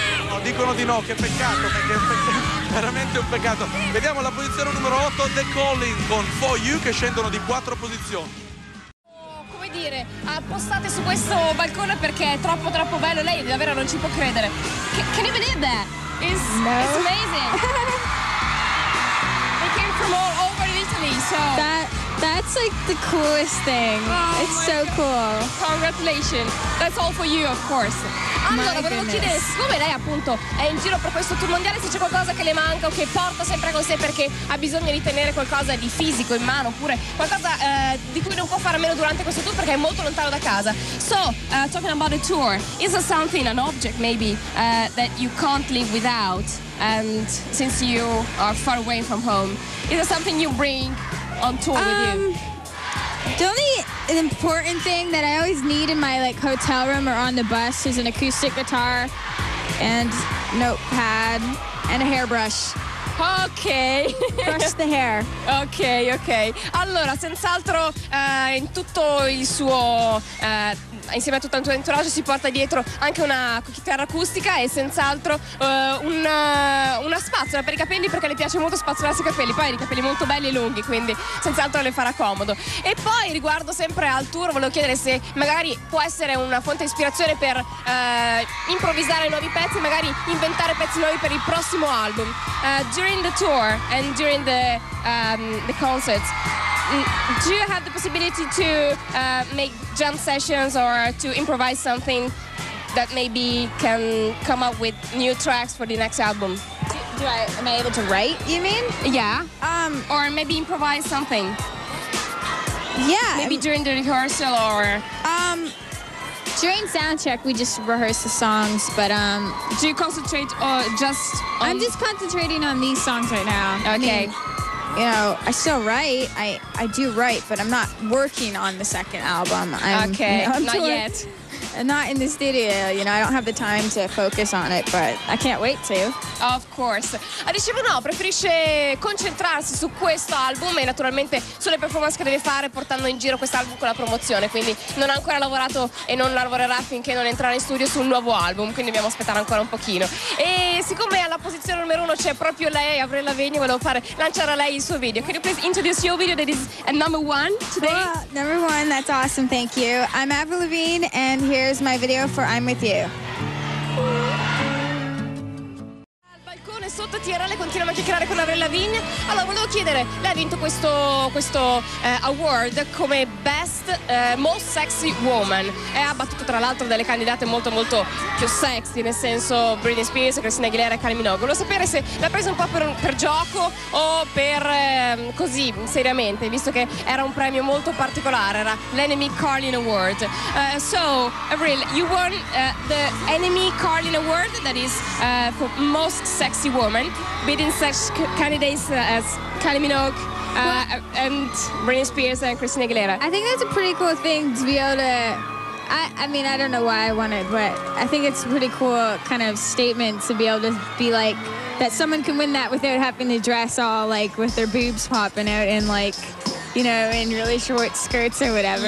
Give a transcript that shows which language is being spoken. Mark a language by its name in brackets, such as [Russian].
[Italian] No, dicono di no, che peccato, perché veramente un peccato. Vediamo la posizione numero 8, The Calling con For You, che scendono di 4 posizioni. Appostate su questo balcone perché è troppo troppo bello. Lei davvero non ci può credere. [English] Can you believe that? It's, no. It's amazing. They came from all over Italy, so that That's like the coolest thing. Oh, it's so God. Cool. Congratulations. That's all for you, of course. [Italian] Allora, volevo chiedere, siccome lei appunto è in giro per questo tour mondiale, se c'è qualcosa che le manca o che porta sempre con sé perché ha bisogno di tenere qualcosa di fisico in mano oppure qualcosa di cui non può fare a meno durante questo tour perché è molto lontano da casa. [English] So, talking about a tour, is there something, an object maybe, that you can't live without? And since you are far away from home, is there something you bring on tour with you? The only important thing that I always need in my like hotel room or on the bus is an acoustic guitar and notepad and a hairbrush. Okay. Brush the hair. Okay, okay. [Italian] Allora, senz'altro in tutto il suo insieme a tutto il tuo entourage si porta dietro anche una chitarra acustica e senz'altro una spazzola per i capelli perché le piace molto spazzolarsi i capelli, poi ha i capelli molto belli e lunghi, quindi senz'altro le farà comodo. E poi riguardo sempre al tour, volevo chiedere se magari può essere una fonte di ispirazione per improvvisare nuovi pezzi, magari inventare pezzi nuovi per il prossimo album. [English] During the tour and during the concerts, do you have the possibility to make jam sessions or to improvise something that maybe can come up with new tracks for the next album? Am I able to write, you mean? Yeah. Or maybe improvise something? Yeah. Maybe during the rehearsal or... During soundcheck, we just rehearse the songs, but... Do you concentrate or just... I'm just concentrating on these songs right now. Okay. You know, I still write. I do write, but I'm not working on the second album. Not yet. I'm not in the studio. You know, I don't have the time to focus on it, but I can't wait to. Of course. [Italian] Dicevo no, preferisce concentrarsi su questo album e naturalmente sulle performance che deve fare portando in giro questo album con la promozione. Quindi non ha ancora lavorato e non lavorerà finché non entrerà in studio sul nuovo album. Quindi dobbiamo aspettare ancora un pochino. E siccome alla posizione numero uno c'è proprio lei, Avril Lavigne, volevo fare lanciare a lei il suo video. [English] Can you please introduce your video that is number one today? Well, number one. That's awesome. Thank you. I'm Avril Lavigne and here's my video for I'm With You. [Italian] Sotto TRL continuiamo a chiacchierare con Avril Lavigne. Allora volevo chiedere, lei ha vinto questo award come best most sexy woman e ha battuto tra l'altro delle candidate molto molto più sexy, nel senso Britney Spears, Christina Aguilera e Kylie Minogue. Volevo sapere se l'ha presa un po' per gioco o per così seriamente, visto che era un premio molto particolare, era l'Enemy Carlin Award. [English] So Avril, you won the Enemy Carlin Award, that is for most sexy woman, beating such candidates as Kylie Minogue and Britney Spears and Christina Aguilera. I think that's a pretty cool thing to be able to, I mean, I don't know why I won it, but I think it's a pretty cool kind of statement to be able to be like, that someone can win that without having to dress all like with their boobs popping out and like, you know, in really short skirts or whatever.